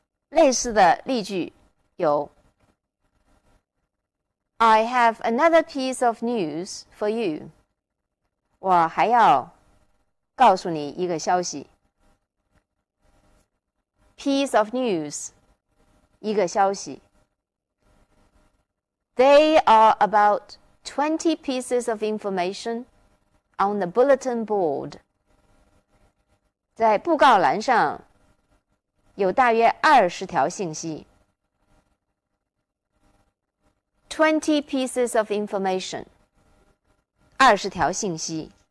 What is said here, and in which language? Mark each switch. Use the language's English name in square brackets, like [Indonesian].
[Chinese] 类似的例句有 [English] I have another piece of news for you. [Chinese] 我还要告诉你一个消息。 [English] Piece of news, [Chinese] 一个消息。 [English] They are about 20 pieces of information on the bulletin board. [Chinese] 在布告栏上有大约20条信息。 [English] 20 pieces of information, [Chinese] 20条信息。